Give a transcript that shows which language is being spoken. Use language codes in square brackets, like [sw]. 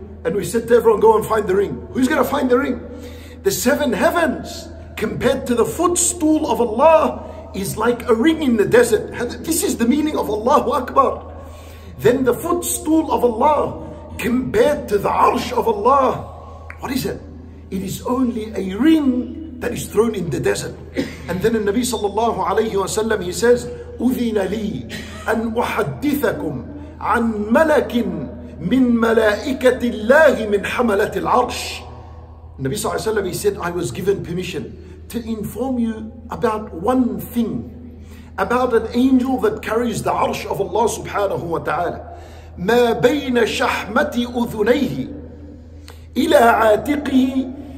[en] And we said to everyone, go and find the ring. Who's going to find the ring? The seven heavens compared to the footstool of Allah is like a ring in the desert. This is the meaning of Allahu Akbar. Then the footstool of Allah compared to the arsh of Allah, what is it? It is only a ring that is thrown in the desert. And then the Nabi sallallahu alayhi wa sallam, he says, [ar] أُذِنَ لِي أَنْ أُحَدِّثَكُمْ عَنْ مَلَكٍ مِنْ مَلَائِكَةِ اللَّهِ مِنْ حَمَلَةِ الْعَرْشِ. [en] Nabi sallallahu alayhi wa sallam, he said, I was given permission to inform you about one thing, about an angel that carries the arsh of Allah subhanahu wa ta'ala. [ar] مَا بَيْنَ شَحْمَةِ أُذُنَيْهِ إِلَىٰ عَاتِقِهِ